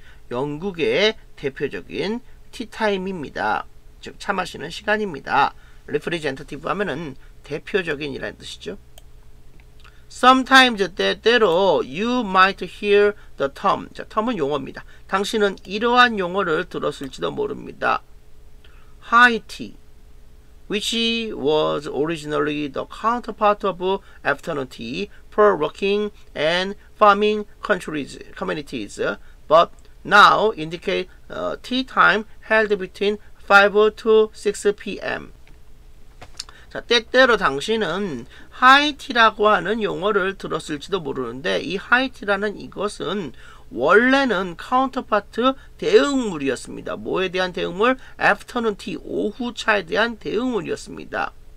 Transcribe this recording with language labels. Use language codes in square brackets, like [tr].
[ko] 영국의 대표적인 티타임입니다. 즉, 차 마시는 시간입니다. representative 하면은 대표적인이라는 뜻이죠. [en] Sometimes, [ko] 때때로, [en] you might hear the term. [ko] 자, term은 용어입니다. 당신은 이러한 용어를 들었을지도 모릅니다. [en] High tea, which was originally the counterpart of afternoon tea for working and farming countries, communities, but now indicate tea time held between 5 to 6 p.m. [ko] 자, 때때로 당신은 하이티라고 하는 용어를 들었을지도 모르는데, 이 하이티라는 이것은 원래는 카운터파트 대응물이었습니다. 뭐에 대한 대응물? 애프터눈 티, 오후차에 대한 대응물이었습니다.